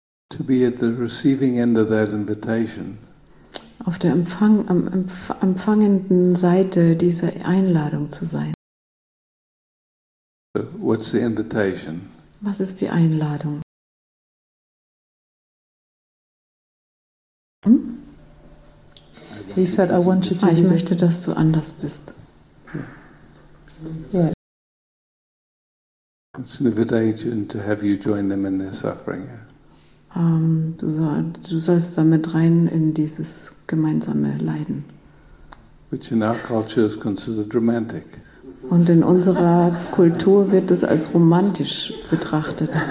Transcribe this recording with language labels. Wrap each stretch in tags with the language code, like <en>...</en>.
<en>To be at the receiving end of that invitation.</en> <de>Auf der empfangenden Seite dieser Einladung zu sein.</de> <en>What's the invitation?</en> <de>Was ist die Einladung?</de> <en>He said, I want you to.</en> <de>Ich möchte, dass du anders bist.</de> <en>Yeah. It's an invitation to have you join them in their suffering.</en> <de>Du sollst damit rein in dieses gemeinsame Leiden.</de> <en>Which in our culture is considered romantic.</en> <de>Und in unserer Kultur wird es als romantisch betrachtet.</de>